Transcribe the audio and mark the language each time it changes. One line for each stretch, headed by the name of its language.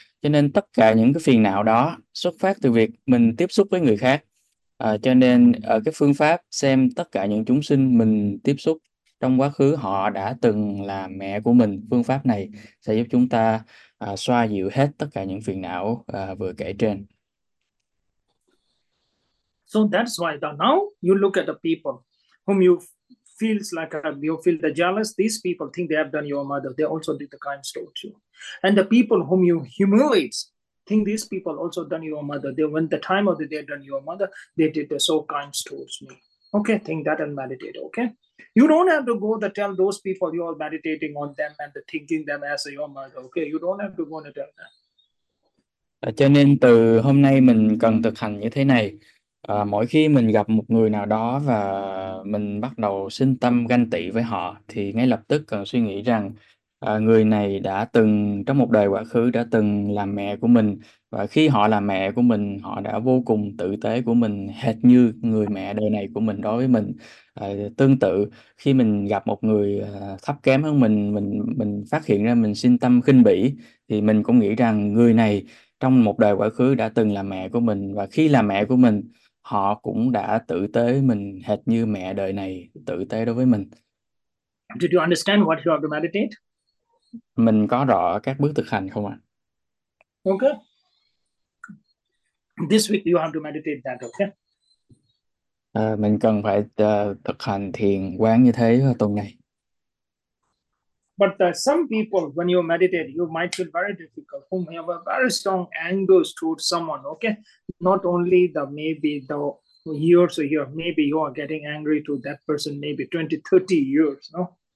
Vietnamese: Cho nên tất cả những cái phiền não đó xuất phát từ việc mình tiếp xúc với người khác. Cho nên ở cái phương pháp xem tất cả những chúng sinh mình tiếp xúc trong quá khứ họ đã từng là mẹ của mình, phương pháp này sẽ giúp chúng ta xoa dịu hết tất cả những phiền não vừa kể trên.
English: So that's why the, now you look at the people whom you feels like you feel the jealous. These people think they have done your mother. They also did the kind towards you. And the people whom you humiliate think these people also done your mother. They, when the time of the day done your mother, they did the so kind towards me. Okay, think that and meditate. Okay, you don't have to go to tell those people you are meditating on them and thinking them as your mother. Okay, you don't have to go and tell them.
Vietnamese: Cho nên từ hôm nay mình cần thực hành như thế này. Mỗi khi mình gặp một người nào đó và mình bắt đầu sinh tâm ganh tị với họ thì ngay lập tức cần suy nghĩ rằng người này đã từng trong một đời quá khứ đã từng là mẹ của mình, và khi họ là mẹ của mình họ đã vô cùng tử tế của mình, hệt như người mẹ đời này của mình đối với mình. Tương tự khi mình gặp một người thấp kém hơn mình phát hiện ra mình sinh tâm khinh bỉ thì mình cũng nghĩ rằng người này trong một đời quá khứ đã từng là mẹ của mình, và khi là mẹ của mình họ cũng đã tử tế mình hệt như mẹ đời này tử tế đối với mình.
English: Did you understand what you have to meditate?
Vietnamese: Mình có rõ các bước thực hành không ạ?
English: Okay. This week you have to meditate that, okay?
Vietnamese: Mình cần phải thực hành thiền quán như thế vào tuần này.
English: But some people, when you meditate, you might feel very difficult, whom you have a very strong anger towards someone, okay? Not only the maybe the years or year, maybe you are getting angry to that person, maybe 20, 30 years, no?